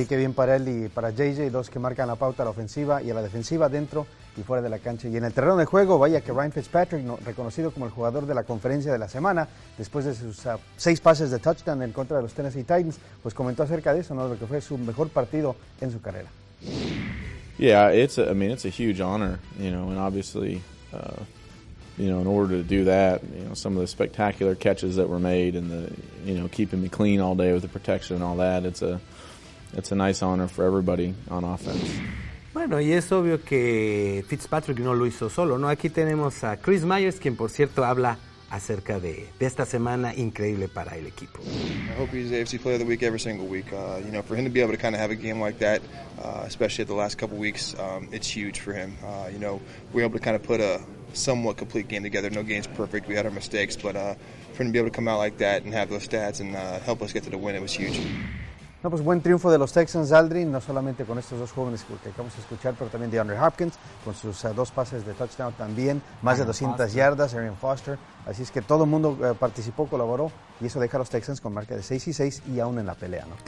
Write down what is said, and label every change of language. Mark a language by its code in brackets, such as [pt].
[es] Sí, qué bien para él y para JJ, dos que marcan la pauta a la ofensiva y a la defensiva dentro y fuera de la cancha. Y en el terreno de juego, vaya que Ryan Fitzpatrick, reconocido como el jugador de la conferencia de la semana, después de sus 6 pases de touchdown en contra de los Tennessee Titans, pues comentó acerca de eso, ¿no?, lo que fue su mejor partido en su carrera. [en] Yeah, it's a huge honor, you know, and obviously, you know, in order to do that, you know, some of the spectacular catches that were made and the, you know, keeping me clean all day with the protection and all that, it's a nice honor for everybody on offense. [es] Bueno, y es obvio que Fitzpatrick no lo hizo solo, ¿no? Aquí tenemos a Chris Myers, quien por cierto habla acerca de esta semana increíble para el equipo. [en] I hope he's the AFC player of the week every single week. You know, for him to be able to kind of have a game like that, especially at the last couple weeks, it's huge for him. You know, we're able to kind of put a somewhat complete game together. No game's perfect. We had our mistakes, but for him to be able to come out like that and have those stats and help us get to the win, it was huge. [es] No, pues buen triunfo de los Texans, Aldrin, no solamente con estos dos jóvenes que acabamos de escuchar, pero también de DeAndre Hopkins, con sus 2 pases de touchdown también, más de 200 Foster. Yardas, Arian Foster, así es que todo el mundo participó, colaboró, y eso deja a los Texans con marca de 6-6 y aún en la pelea, ¿no?